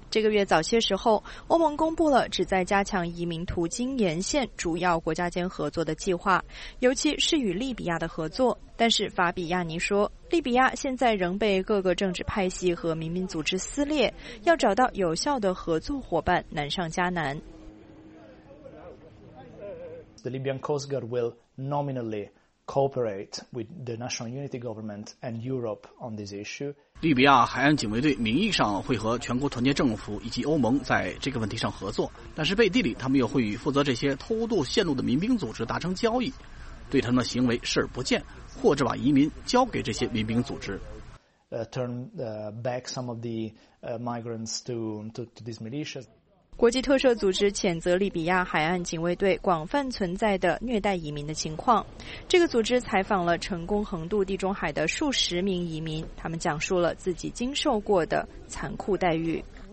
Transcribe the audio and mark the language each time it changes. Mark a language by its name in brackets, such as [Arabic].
[Chinese] 这个月早些时候，欧盟公布了旨在加强移民途经沿线主要国家间合作的计划，尤其是与利比亚的合作。但是法比亚尼说，利比亚现在仍被各个政治派系和民兵组织撕裂，要找到有效的合作伙伴难上加难。 [English] The Libyan Coast Guard will nominally cooperate with the National Unity Government and Europe on this issue. [Chinese] 利比亚海岸警卫队名义上会和全国团结政府以及欧盟在这个问题上合作，但是背地里他们又会与负责这些偷渡线路的民兵组织达成交易，对他们的行为视而不见，或者把移民交给这些民兵组织。 [English] Turn back some of the migrants to these militias. [Chinese] 国际特赦组织谴责利比亚海岸警卫队广泛存在的虐待移民的情况。这个组织采访了成功横渡地中海的数十名移民，他们讲述了自己经受过的残酷待遇。